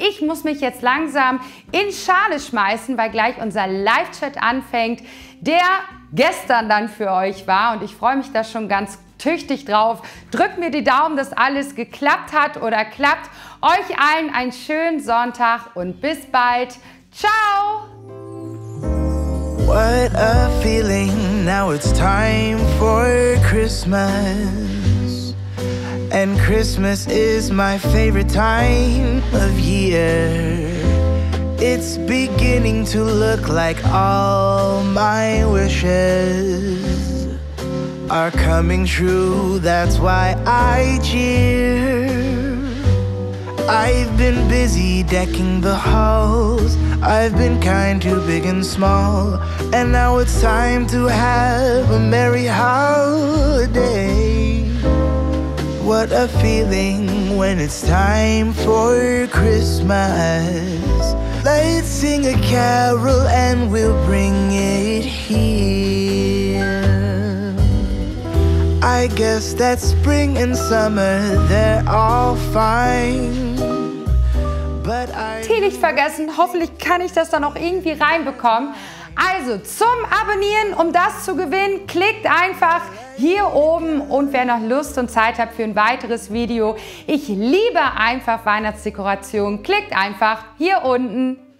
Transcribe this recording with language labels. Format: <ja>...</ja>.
<de>Ich muss mich jetzt langsam in Schale schmeißen, weil gleich unser Live-Chat anfängt, der gestern dann für euch war. Und ich freue mich da schon ganz tüchtig drauf. Drückt mir die Daumen, dass alles geklappt hat oder klappt. Euch allen einen schönen Sonntag und bis bald. Ciao!</de> <en>What a feeling, now it's time for Christmas. And Christmas is my favorite time of year. It's beginning to look like all my wishes are coming true, that's why I cheer. I've been busy decking the halls, I've been kind to big and small, and now it's time to have a merry holiday. What a feeling when it's time for Christmas. Let's sing a carol and we'll bring it here. I guess that spring and summer, they're all fine.</en> <de>Tee nicht vergessen, hoffentlich kann ich das dann auch irgendwie reinbekommen. Also zum Abonnieren, um das zu gewinnen, klickt einfach hier oben und wer noch Lust und Zeit hat für ein weiteres Video, ich liebe einfach Weihnachtsdekoration, klickt einfach hier unten.</de>